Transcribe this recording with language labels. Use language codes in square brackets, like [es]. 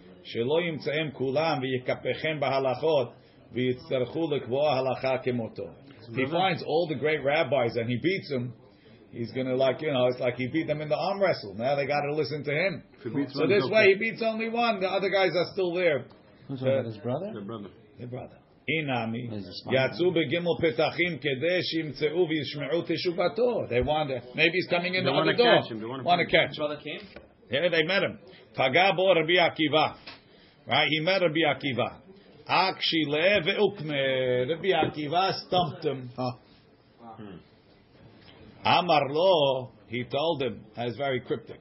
[he] שלא ימצאים כולם ויקפחם בהלכות ויצטרכו לקבוע הלכה כמותו. [en] He finds all the great rabbis and he beats them. He's going to it's like he beat them in the arm wrestle. Now they got to listen to him. So this way he beats only one. The other guys are still there. Who's that? His brother? Their brother. Inami. [he] יצאו בגימו פתחים כדי שימצאו וישמעו תשובתו. [en] They want to, maybe he's coming in the other door. They want to catch. Brother came? Yeah, they met him. Pagabo Rabbi Akiva. Right? He met Rabbi Akiva. [he] Akshile ve'ukme. [en] Rabbi Akiva stumped him. Amar lo, he told him, that's very cryptic.